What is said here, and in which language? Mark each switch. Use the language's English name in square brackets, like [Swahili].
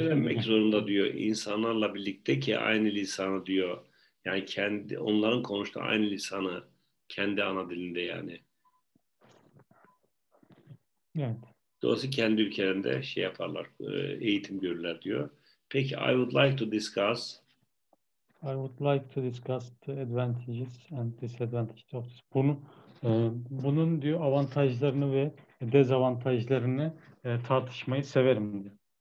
[Turkish] Öğrenmek zorunda diyor. İnsanlarla birlikte ki aynı lisanı diyor. Yani kendi onların konuştuğu aynı lisanı kendi ana dilinde yani. Evet. Dolayısıyla kendi ülkelerinde şey yaparlar, eğitim görürler diyor. Peki, [English] I would like to discuss the advantages and disadvantages of this. [Turkish] Bunun diyor avantajlarını ve dezavantajlarını tartışmayı severim diyor.